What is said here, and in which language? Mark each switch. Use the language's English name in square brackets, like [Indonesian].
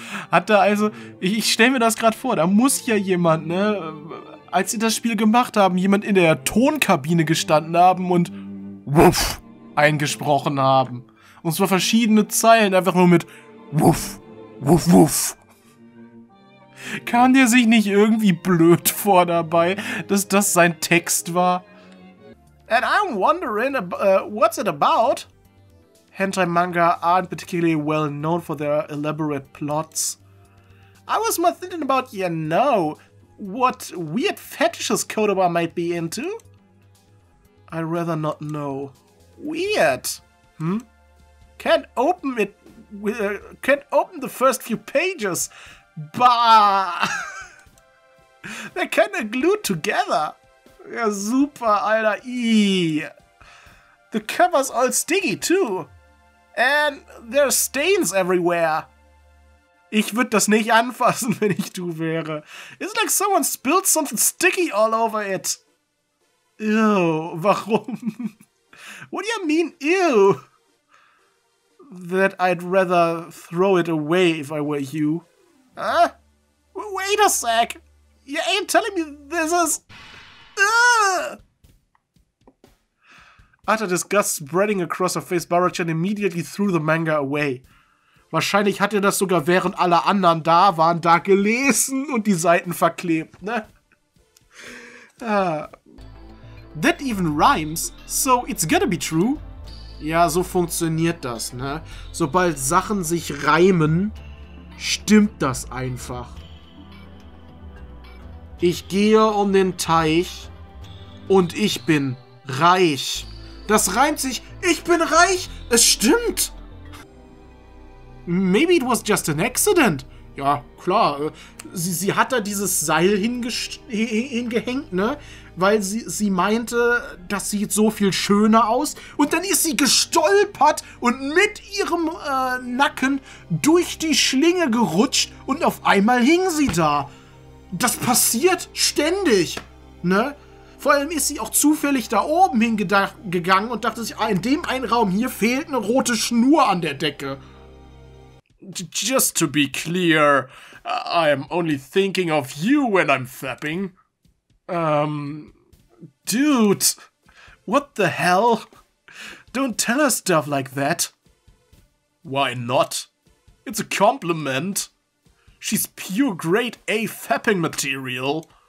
[German] Hat da also, ich stell mir das gerade vor, da muss ja jemand, ne, als sie das Spiel gemacht haben, jemand in der Tonkabine gestanden haben und wuff eingesprochen haben. Und zwar verschiedene Zeilen, einfach nur mit wuff, wuff, wuff. Kam der sich nicht irgendwie blöd vor dabei, dass das sein Text war? [English] And I'm wondering, what's it about? Hentai Manga aren't particularly well known for their elaborate plots. I was more thinking about, you know, what weird fetishes Kotoba might be into. I'd rather not know. Weird? Hmm? Can't open the first few pages. Bah! They're kinda glued together. [German] Ja, super, Alter. [English] The cover's all sticky, too. And there are stains everywhere. [German] Ich würde das nicht anfassen, wenn ich du wäre. [English] It's like someone spilled something sticky all over it. [German] Ew, warum? [English] What do you mean, ew? That I'd rather throw it away if I were you. Huh? Wait a sec. You ain't telling me this is... Utter disgust spreading across her face, Barachan immediately threw the manga away. [German] Wahrscheinlich hat er das sogar, während alle anderen da waren, da gelesen und die Seiten verklebt, ne? [English] That even rhymes, so it's gonna be true. [German] Ja, so funktioniert das, ne? Sobald Sachen sich reimen, stimmt das einfach. Ich gehe um den Teich und ich bin reich. Das reimt sich. Ich bin reich. Es stimmt. [English] Maybe it was just an accident. [German] Ja, klar. Sie hat da dieses Seil hingehängt, ne? Weil sie meinte, das sieht so viel schöner aus. Und dann ist sie gestolpert und mit ihrem Nacken durch die Schlinge gerutscht. Und auf einmal hing sie da. Das passiert ständig, ne? Vor allem ist sie auch zufällig da oben hingegangen und dachte sich, in dem einen Raum hier fehlt eine rote Schnur an der Decke. [English] Just to be clear, I'm only thinking of you when I'm fapping. Dude, what the hell? Don't tell her stuff like that. Why not? It's a compliment. She's pure grade A fapping material.